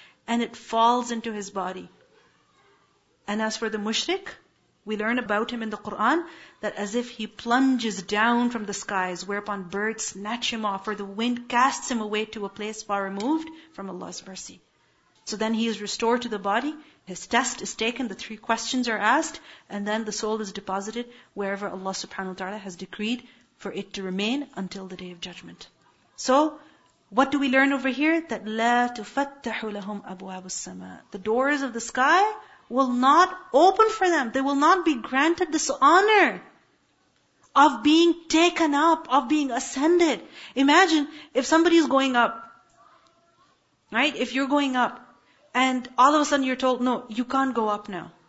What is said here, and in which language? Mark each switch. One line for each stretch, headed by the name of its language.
English: And it falls into his body. And as for the mushrik, we learn about him in the Qur'an that as if he plunges down from the skies, whereupon birds snatch him off, or the wind casts him away to a place far removed from Allah's mercy. So then he is restored to the body, his test is taken, the three questions are asked, and then the soul is deposited wherever Allah subhanahu wa ta'ala has decreed for it to remain until the day of judgment. So, what do we learn over here? That
Arabic: لا تفتح لهم أبواب السماء.
English: The doors of the sky will not open for them. They will not be granted this honor of being taken up, of being ascended. Imagine if somebody is going up, right? If you're going up and all of a sudden you're told, no, you can't go up now.